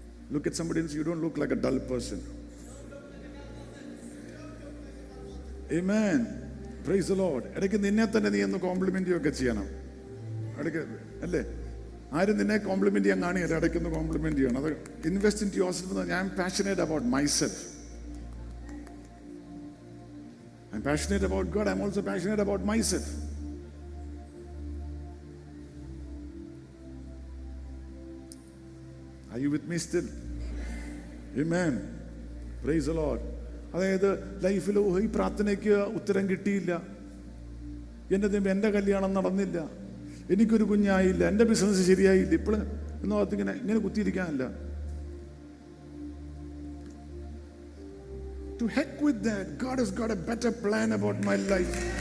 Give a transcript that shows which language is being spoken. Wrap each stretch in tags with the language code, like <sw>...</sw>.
<en>Look at somebody else. You don't look like a dull person. Amen. Praise the Lord.</en> <ml>ഇടയ്ക്ക് നിന്നെ തന്നെ നീ ഒന്ന് കോംപ്ലിമെന്റ് ഒക്കെ ചെയ്യണം. ഇടയ്ക്ക് അല്ലേ ആരും നിന്നെ കോംപ്ലിമെന്റ് ചെയ്യാൻ കാണിയല്ല, ഇടയ്ക്ക് ഒന്ന് കോംപ്ലിമെന്റ് ചെയ്യണം. അത്</ml> <en>Invest into yourself.</en> <ml>ഞാൻ</ml> <en>Passionate about myself. I passionate about God. I am also passionate about myself. Are you with me still? Amen. Praise the Lord.</en> <ml>അതായത് ലൈഫിൽ ഈ പ്രാർത്ഥനയ്ക്ക് ഉത്തരം കിട്ടിയില്ല, എൻ്റെ ദൈവം എൻ്റെ കല്യാണം നടന്നില്ല, എനിക്കൊരു കുഞ്ഞായില്ല, എൻ്റെ ബിസിനസ് ശരിയായില്ല, ഇപ്പോഴും എന്ന് പറഞ്ഞ ഇങ്ങനെ ഇങ്ങനെ കുത്തിയിരിക്കാനല്ല.</ml> <en>To heck with that. God has got a better plan about my life.</en>